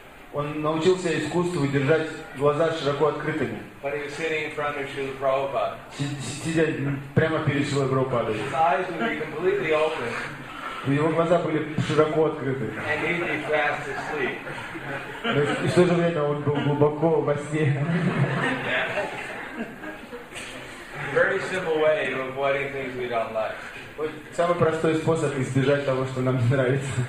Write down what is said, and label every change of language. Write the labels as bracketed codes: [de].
[ru] он научился искусству держать глаза широко открытыми. [en] But he was sitting in front of Srila Prabhupada. [ru] Сидя прямо перед Шрилой Прабхупадой. [en] His eyes would be completely open. [ru] Его глаза были широко открыты. [en] And he'd be fast asleep. [ru] Но и в то же время он был глубоко во сне. [en] Very simple way of avoiding things we don't like. [ru] Самый простой способ избежать того, что нам не нравится.